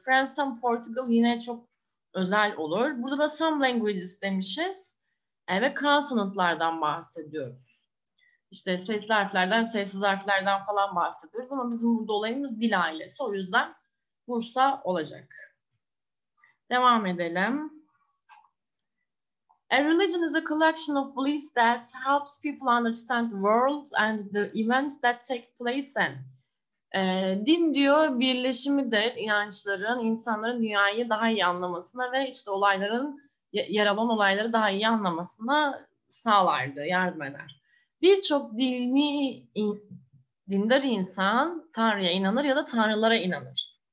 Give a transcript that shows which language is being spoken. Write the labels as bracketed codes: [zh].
[tr] France and Portugal yine çok özel olur. Burada da [en] some languages [tr] demişiz. Ve kral sınıflardan bahsediyoruz. İşte sesli harflerden, sessiz harflerden falan bahsediyoruz. Ama bizim burada olayımız dil ailesi. O yüzden Bursa olacak. Devam edelim. [en] A religion is a collection of beliefs that helps people understand the world and the events that take place in. [tr] Din diyor birleşimidir inançların, insanların dünyayı daha iyi anlamasına ve işte olayların, yer alan olayları daha iyi anlamasına sağlar diyor, yardım eder. Birçok dini, dindar insan Tanrı'ya inanır ya da tanrılara inanır.